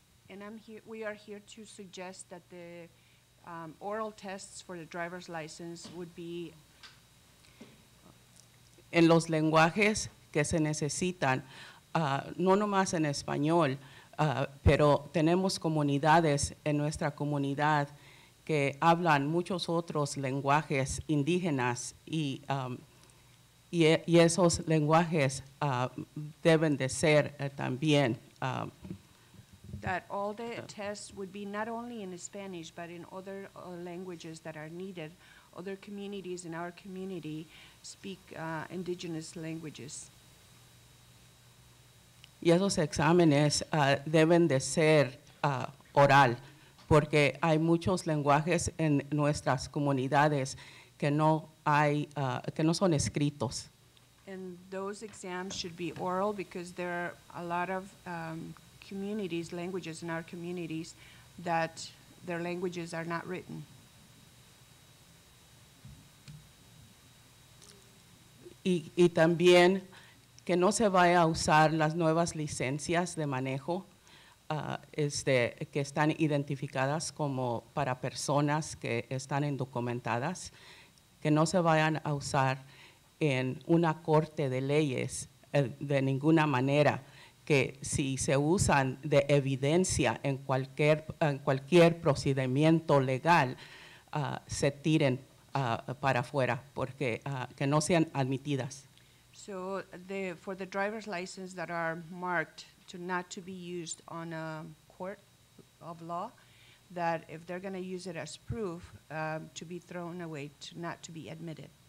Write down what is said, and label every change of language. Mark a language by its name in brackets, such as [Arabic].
[English] And we are here to suggest that the oral tests for the driver's license would be [Spanish] en los lenguajes que se necesitan, no nomás en español, pero tenemos comunidades en nuestra comunidad que hablan muchos otros lenguajes indígenas y esos lenguajes deben de ser también [English] that all the tests would be not only in Spanish, but in other languages that are needed. Other communities in our community speak indigenous languages. [Spanish] Y esos exámenes deben de ser oral, porque hay muchos lenguajes en nuestras comunidades que no hay, que no son escritos. [English] And those exams should be oral because there are a lot of communities, languages in our communities, that their languages are not written. [Spanish] Y también que no se vaya a usar las nuevas licencias de manejo que están identificadas como para personas que están indocumentadas, que no se vayan a usar en una corte de leyes de ninguna manera. Que si se usan de evidencia en cualquier procedimiento legal, se tiren para afuera, porque que no sean admitidas. [English] So, for the driver's license that are marked to not to be used on a court of law, that if they're going to use it as proof, to be thrown away, to not to be admitted.